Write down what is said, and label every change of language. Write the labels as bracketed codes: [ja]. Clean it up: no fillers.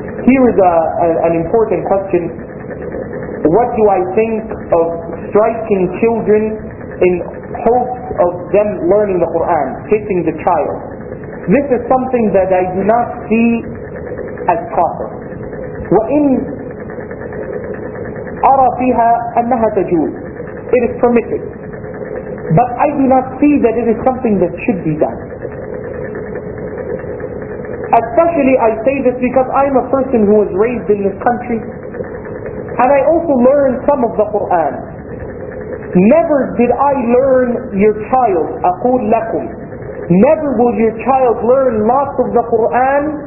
[en] Here is an important question. What do I think of striking children in hopes of them learning the Quran, hitting the child? This is something that I do not see as proper. [ar] وَإِنْ أَرَى فِيهَا أَنَّهَا تَجُوزُ, [en] it is permitted. But I do not see that it is something that should be done. Especially I say this because I'm a person who was raised in this country and I also learned some of the Qur'an. Never did I learn your child, [ar] أَقُولْ لَكُمْ, [en] never will your child learn lots of the Qur'an